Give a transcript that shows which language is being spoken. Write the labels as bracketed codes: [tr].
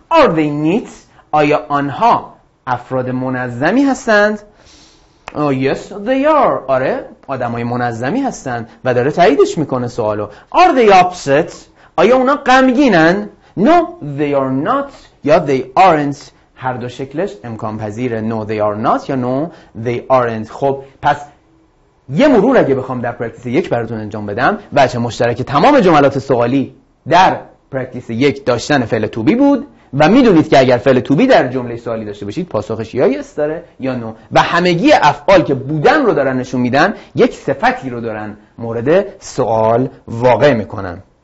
[en] Are they neat؟ [fa] آیا آنها افراد منظمی هستند؟ [en] Oh, yes, they are. [fa] آره آدم های منظمی هستند، و داره تاییدش میکنه سوالو. [en] Are they upset؟ [fa] آیا اونا غمگینن؟ [en] No, they are not. [fa] یا [en] they aren't، [fa] هر دو شکلش امکان پذیره. [en] No, they are not یا no, they aren't. [fa] خب پس یه مرور اگه بخوام در پرکتیس یک براتون انجام بدم، بچه مشترک تمام جملات سوالی در پرکتیس یک داشتن فعل to be بود، و میدونید که اگر فعل to be در جمله سوالی داشته باشید پاسخش یا yes داره یا no، و همگی افعال که بودن رو دارن نشون میدن یک صفتی رو دارن مورد سوال واقع میکنن.